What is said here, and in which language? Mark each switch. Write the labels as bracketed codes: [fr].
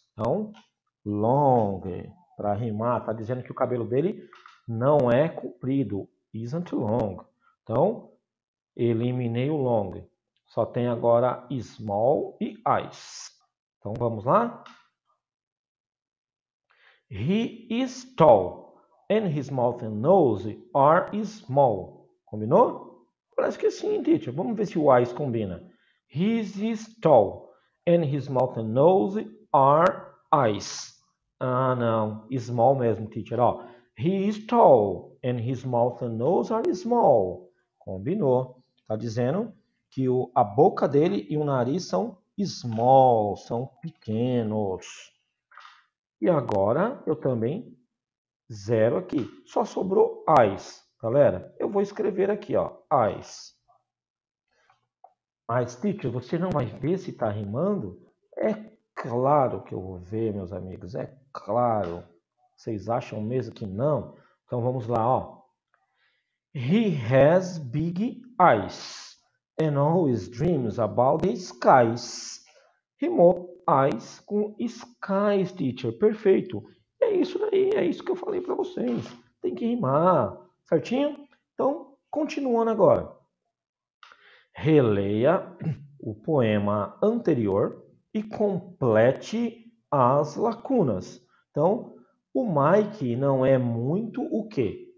[pt] Então, long, para rimar, tá dizendo que o cabelo dele não é comprido. [en] Isn't long. [pt] Então, eliminei o long. Só tem agora small e eyes. Então, vamos lá? [en] He is tall and his mouth and nose are small. [pt] Combinou? Parece que sim, teacher. Vamos ver se o eyes combina. [en] He is tall and his mouth and nose are eyes. [pt] Ah, não. Small mesmo, teacher. Ó. [en] He is tall and his mouth and nose are small. [pt] Combinou. Está dizendo que a boca dele e o nariz são small, são pequenos. E agora eu também zero aqui. Só sobrou eyes, galera. Eu vou escrever aqui, ó. Eyes. Mas, teacher, você não vai ver se está rimando? É claro que eu vou ver, meus amigos. É claro, vocês acham mesmo que não? Então vamos lá, ó. [en] He has big eyes and always dreams about the skies. [pt] Rimou eyes com skies, teacher. Perfeito. É isso daí, é isso que eu falei para vocês. Tem que rimar, certinho? Então, continuando agora. Releia o poema anterior e complete as lacunas. Então, o Mike não é muito o quê?